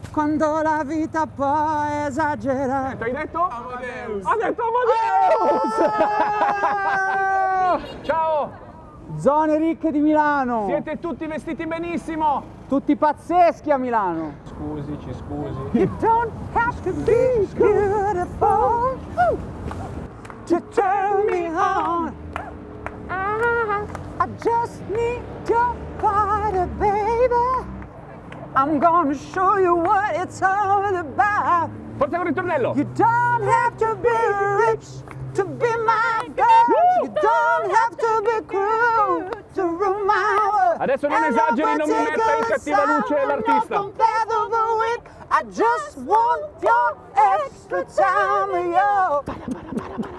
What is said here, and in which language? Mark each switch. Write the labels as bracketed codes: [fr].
[it] Quando la vita può esagerare. Hai detto? Amadeus. Ha detto Amadeus. Ciao! Zone ricche di Milano! Siete tutti vestiti benissimo! Tutti pazzeschi a Milano! Scusi, ci scusi! [en] You don't have to be beautiful to turn me on. I just need your body, baby. I'm gonna show you what it's all about. [it] Portiamo il ritornello! [en] You don't have to be rich to be my girl. You don't have to be cruel to ruin my world. [it] Adesso non esageri, non mi metta in cattiva luce l'artista. [en] I just want your extra time, yo.